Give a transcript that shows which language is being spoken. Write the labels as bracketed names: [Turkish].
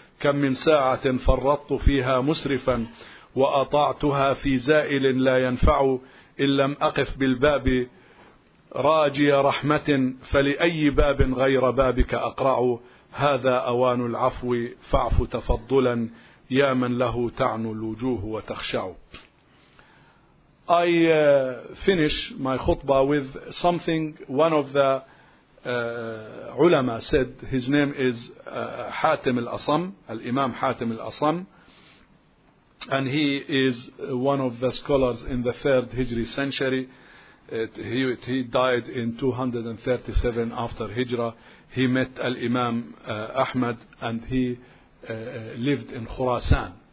[Arabic] كم من ساعة فرطت فيها مسرفا وأطعتها في زائل لا ينفع. إن لم أقف بالباب راجي رحمة فلأي باب غير بابك أقرع. هذا أوان العفو فاعف تفضلا يا من له تعنو الوجوه وتخشع. [English] I finish my khutbah with something one of the علماء said. His name is حاتم الأصم, الإمام حاتم الأصم. And he is one of the scholars in the 3rd Hijri century. He died in 237 after Hijra. He met Al-Imam Ahmad and he lived in Khurasan.